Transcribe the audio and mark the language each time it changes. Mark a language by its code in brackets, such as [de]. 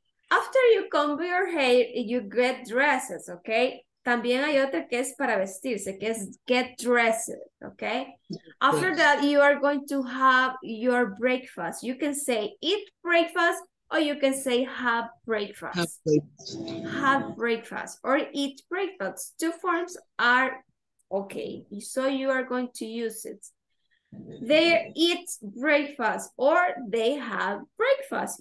[en] After you comb your hair, you get dresses, okay? [es] También hay otra que es para vestirse, que es get dressed, okay? [en] After that, you are going to have your breakfast. You can say eat breakfast, or you can say have breakfast. Have breakfast. Have breakfast or eat breakfast. Two forms are okay. So you are going to use it. They eat breakfast or they have breakfast.